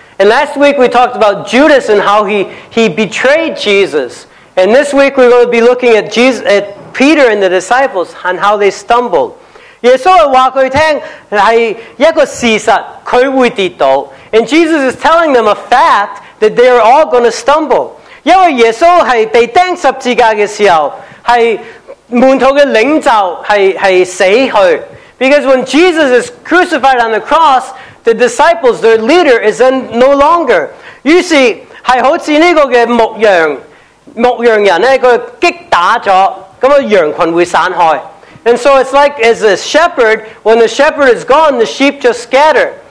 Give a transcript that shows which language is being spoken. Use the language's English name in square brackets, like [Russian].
[English] And last week we talked about Judas and how he betrayed Jesus. And this week we're going to be looking at Jesus, at Peter and the disciples and how they stumbled. [Cantonese] 耶稣系话佢听系一个事实，佢会跌倒。 [English] And Jesus is telling them a fact that they are all going to stumble. [Cantonese] 因为耶稣系被钉十字架嘅时候，系门徒嘅领袖系死去。 [English] Because when Jesus is crucified on the cross, the disciples, their leader, is then no longer. [Cantonese] 于是系好似呢个嘅牧羊人咧，佢击打咗，咁啊羊群会散开。 [English] And so it's like as a shepherd, when the shepherd is gone, the sheep just scatter.